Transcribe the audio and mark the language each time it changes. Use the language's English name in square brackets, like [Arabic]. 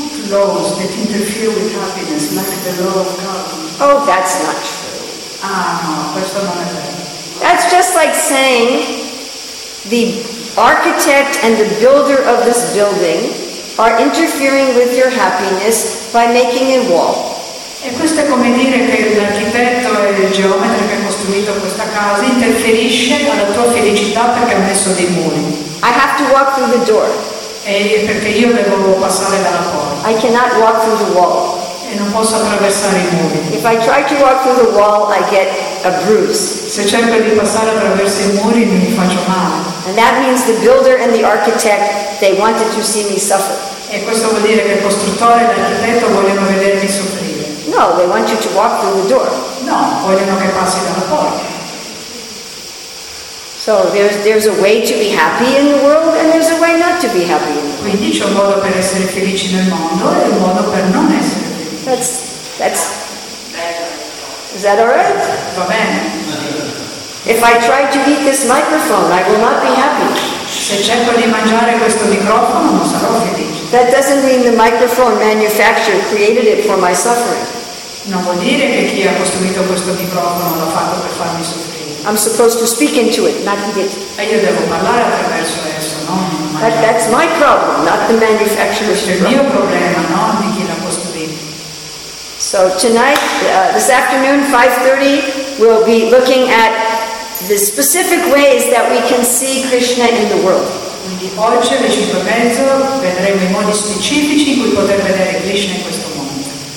[English] Laws that interfere with happiness, like the law of karma. Oh, that's not true. [Italian] Ah, no, questo non è vero. [English] That's just like saying the architect and the builder of this building are interfering with your happiness by making a wall. [Italian] E questo è come dire che l'architetto e il geometra che ha costruito questa casa interferisce con la tua felicità perché ha messo dei muri. [English] I have to walk through the door. [Italian] E perché io devo passare dalla porta. [English] I cannot walk through the wall. [Italian] E non posso attraversare i muri. [English] If I try to walk through the wall, I get a bruise. [Italian] Se cerco di passare attraverso i muri, mi faccio male. [English] And that means the builder and the architect they wanted to see me suffer. [Italian] E questo vuol dire che il costruttore e l'architetto vogliono vedermi soffrire. [English] No, they want you to walk through the door. [Italian] No, vogliono che passi dalla porta. [English] So there's a way to be happy in the world and there's a way not to be happy in the world. [Italian] Quindi c'è un modo per essere felici nel mondo e un modo per non essere felici. [English] That's Is that all right? [Italian] Va bene. [English] If I try to eat this microphone, I will not be happy. [Italian] Se cerco di mangiare questo microfono, non sarò felice. [English] That doesn't mean the microphone manufacturer created it for my suffering. [Italian] Non vuol dire che chi ha costruito questo microfono l'ha fatto per farmi soffrire. [English] I'm supposed to speak into it, not eat it. [Italian] E io devo parlare attraverso esso, non mangiare. [English] That's my problem, not the manufacturer's problem. [Italian] È il mio problema, non di chi l'ha costruito. [English] So tonight, this afternoon, 5:30, we'll be looking at the specific ways that we can see Krishna in the world. [Italian] Quindi oggi alle 5:30 vedremo i modi specifici in cui poter vedere Krishna in questo mondo.